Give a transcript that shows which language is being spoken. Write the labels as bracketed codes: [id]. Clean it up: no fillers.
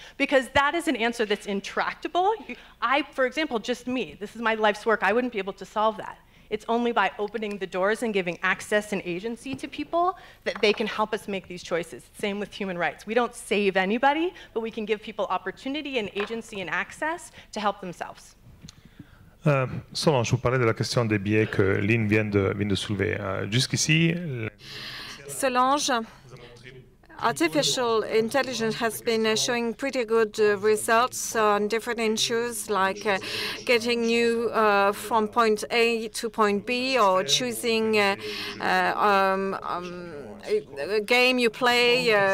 [en] Because that is an answer that's intractable. I, for example, just me, this is my life's work, I wouldn't be able to solve that. It's only by opening the doors and giving access and agency to people that they can help us make these choices. Same with human rights. We don't save anybody, but we can give people opportunity and agency and access to help themselves. [fr] Solange, vous parlez de la question des biais que Lynn vient de soulever. Jusqu'ici. Solange. [en] Artificial intelligence has been showing pretty good results on different issues, like getting you from point A to point B, or choosing a game you play.